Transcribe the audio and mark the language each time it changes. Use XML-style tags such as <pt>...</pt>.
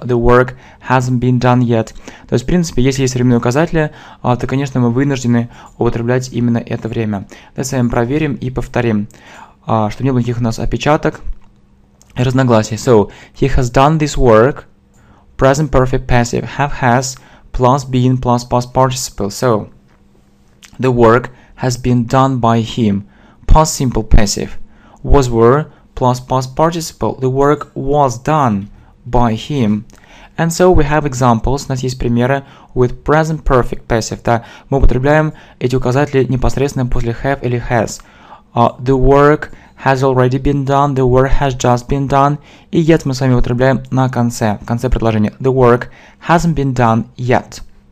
<en>The work hasn't been done yet.</en> <ru>То есть, в принципе, если есть временные указатели, то, конечно, мы вынуждены употреблять именно это время. Давайте с вами проверим и повторим, чтобы не было никаких у нас опечаток и разногласий.</ru> <en>So, he has done this work. Present perfect passive, have has, plus been, plus past participle. So, the work has been done by him. Past simple passive, was were, plus past participle. The work was done by him. And so we have examples,</en> <ru>у нас есть примеры,</ru> <en>with present perfect passive.</en> <ru>Да? Мы употребляем эти указатели непосредственно после have или has.</ru> <en>The work has already been done, the work has just been done.</en> <ru>И yet мы с вами употребляем на конце, в конце предложения.</ru> <en>The work hasn't been done yet.</en>